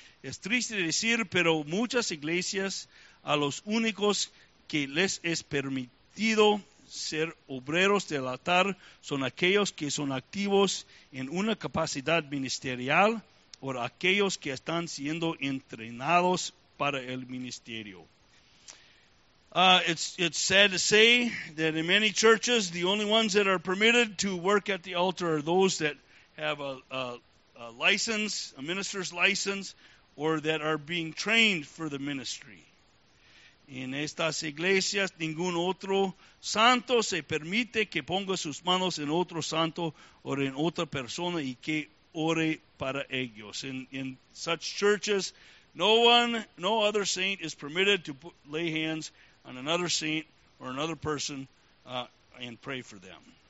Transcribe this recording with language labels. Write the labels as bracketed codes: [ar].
[es] Es triste decir, pero muchas iglesias a los únicos que les es permitido ser obreros del altar son aquellos que son activos en una capacidad ministerial o aquellos que están siendo entrenados para el ministerio. [en] It's sad to say that in many churches, the only ones that are permitted to work at the altar are those that have a license, a minister's license, or that are being trained for the ministry. [es] En estas iglesias, ningún otro santo se permite que ponga sus manos en otro santo o en otra persona y que ore para ellos. [en] In such churches, no other saint is permitted to lay hands on another saint or another person and pray for them.